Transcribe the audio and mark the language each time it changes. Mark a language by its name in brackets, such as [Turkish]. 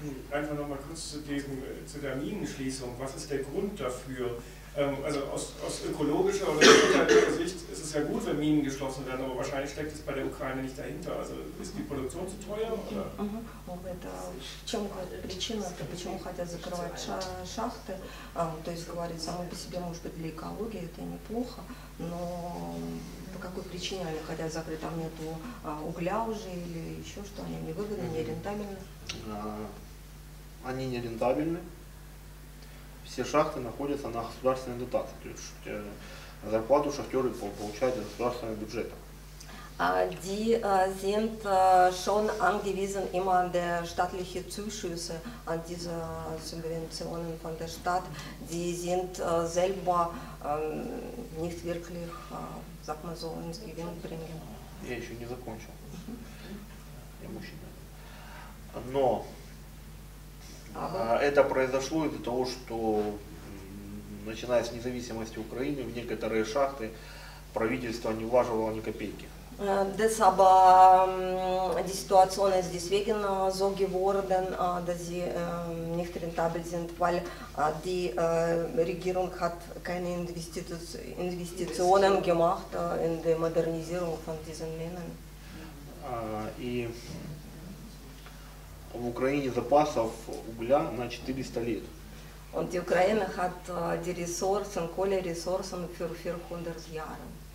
[German] Einfach noch mal kurz zu der Minenschließung. Was ist der Grund dafür? Also aus ökologischer oder wirtschaftlicher Sicht ist es ja gut, wenn Minen geschlossen werden, aber wahrscheinlich steckt es bei der Ukraine nicht dahinter. Also ist die Produktion zu teuer? [Russian] Moment, чем причина, почему хотят закрывать шахты? То есть говорит, само по себе может быть для экологии это неплохо, но по какой причине они хотят закрыть? Там нету угля уже или еще что? Они невыгодны, не рентабельны? Они не рентабельны. Все шахты находятся на государственной дотации. То есть зарплату шахтеры получают из государственного бюджета. [German] Die sind schon angewiesen immer an die staatlichen Zuschüsse, an diese Subventionen von der Stadt. Die sind selber nicht wirklich, sag mal so, ins Gewinn bringen. [Russian] Я еще не закончил. Я мужчина. Но это произошло из-за того, что начиная с независимости Украины, в некоторые шахты правительство не вложило ни копейки. [German] Das aber die Situation ist deswegen so geworden, dass sie nicht rentabel sind, weil die Regierung hat keine Investitionen gemacht in die Modernisierung von diesen Minen. [Russian] И в Украине запасов угля на 400 лет. [German] Und die Ukraine hat die Ressourcen, Kohleressourcen für 400 Jahre.